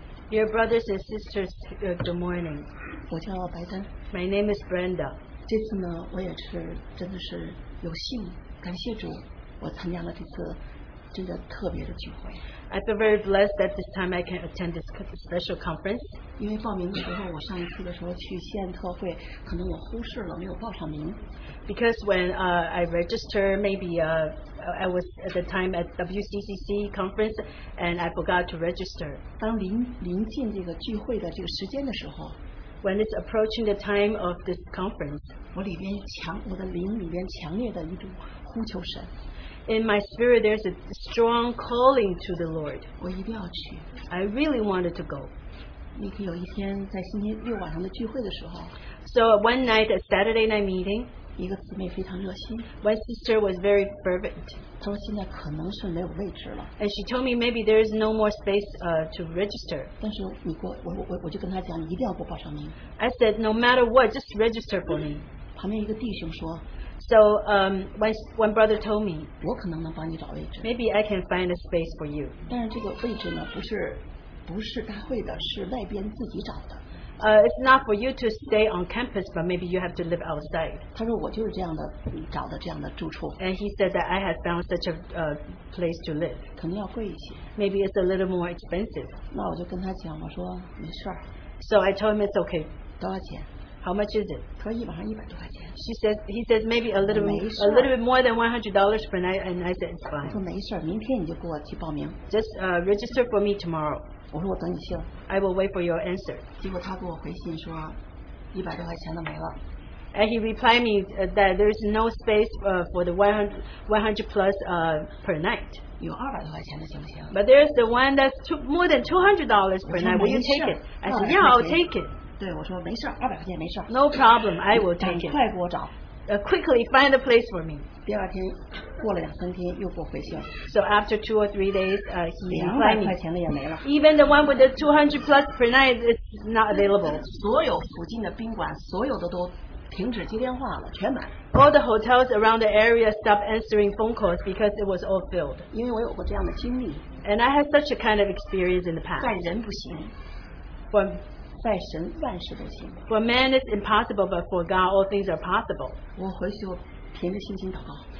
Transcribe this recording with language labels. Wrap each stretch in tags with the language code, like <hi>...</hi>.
<en>Dear brothers and sisters, good morning.</en> <zh>我叫白丹。</zh> <en>My name is Brenda.</en> <zh>这次呢，我也是真的是有幸，感谢主，我参加了这次真的特别的聚会。</zh> <en>I feel very blessed that this time I can attend this special conference.</en> <zh>因为报名的时候，我上一次的时候去西安特会，可能我忽视了，没有报上名。</zh> <en>Because when I register, maybe I was at the time at WCCC conference and I forgot to register.</en> <zh>当临近这个聚会的这个时间的时候，</zh> <en>when it's approaching the time of this conference,</en> <zh>我的灵里边强烈的一种呼求神。</zh> <en>In my spirit, there's a strong calling to the Lord.</en> <zh>我一定要去。</zh> <en>I really wanted to go.</en> <zh>那天有一天在星期六晚上的聚会的时候，</zh> <en>so one night, a Saturday night meeting,</en> <zh>一个姊妹非常热心。</zh> <en>My sister was very fervent.</en> <zh>她说现在可能是没有位置了。</zh> <en>And she told me maybe there is no more space to register.</en> <zh>但是你过我就跟她讲，你一定要给我报上名。</zh> <en>I said no matter what, just register for me.</en> <zh>旁边一个弟兄说。</zh> <en>So one brother told me.</en> <zh>我可能能帮你找位置。</zh> <en>Maybe I can find a space for you.</en> <zh>但是这个位置呢，不是大会的，是外边自己找的。</zh> <en>It's not for you to stay on campus, but maybe you have to live outside.</en> <zh>他说我就是这样的，找的这样的住处。</zh> <en>And he said that I had found such a place to live.</en> <zh>可能要贵一些。</zh> <en>Maybe it's a little more expensive.</en> <zh>那我就跟他讲，我说没事儿。</zh> <en>So I told him it's okay.</en> <zh>多少钱？</zh> <en>How much is it?</en> <zh>他说一晚上一百多块钱。</zh> <en>He said maybe a little bit more than $100 per night, and I said it's fine.</en> <zh>说没事儿，明天你就给我去报名。</zh> <en>Just register for me tomorrow.</en> <zh>我说我等你信。</zh> <en>I will wait for your answer.</en> <zh>结果他给我回信说，一百多块钱都没了。</zh> <en>And he replied me that there is no space for the one hundred plus per night.</en> <zh>有二百多块钱的行不行</zh> <en>？But there is the one that's more than $200 per night. Will you take it? I said, yeah, I'll take it.</en> <zh>对，我说没事，二百块钱没事。</zh> <en>No problem, I will take it.</en> <zh>赶快给我找。</zh> <en>Quickly find a place for me.</en> <zh>第二天过了两三天又给我回信。</zh> <en>So after two or three days, he replied me.</en> <zh>两百块钱的也没了。</zh> <en>Even the one with the 200 plus per night is not available.</en> <zh>所有附近的宾馆，所有的都停止接电话了，全满。</zh> <en>All the hotels around the area stopped answering phone calls because it was all filled.</en> <zh>因为我有过这样的经历。</zh> <en>And I had such a kind of experience in the past.</en> <zh>在人不行。在神万事都行。</zh> <en>For man it's impossible, but for God all things are possible.</en> <zh>我回去我凭着信心祷告。</zh>